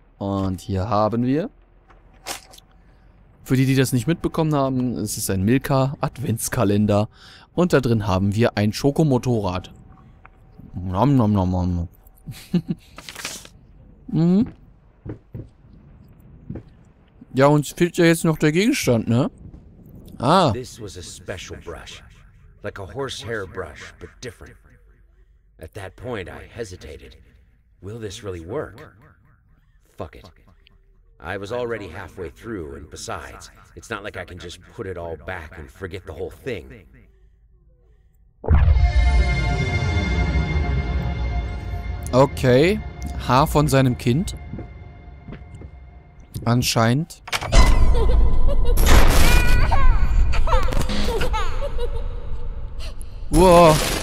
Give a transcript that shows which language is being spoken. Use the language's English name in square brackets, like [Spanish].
[German] Und hier haben wir. Für die, die das nicht mitbekommen haben, es ist ein Milka Adventskalender. Und da drin haben wir ein Schokomotorrad. Nom nom nom nom. Ja, uns fehlt ja jetzt noch der Gegenstand, ne? Ah. [English] This was a special brush, like a horsehair brush, but different. At that point, I hesitated. Will this really work? Fuck it. I was already halfway through, and besides, it's not like I can just put it all back and forget the whole thing. [German] Okay, Haar von seinem Kind. Anscheinend. Wow.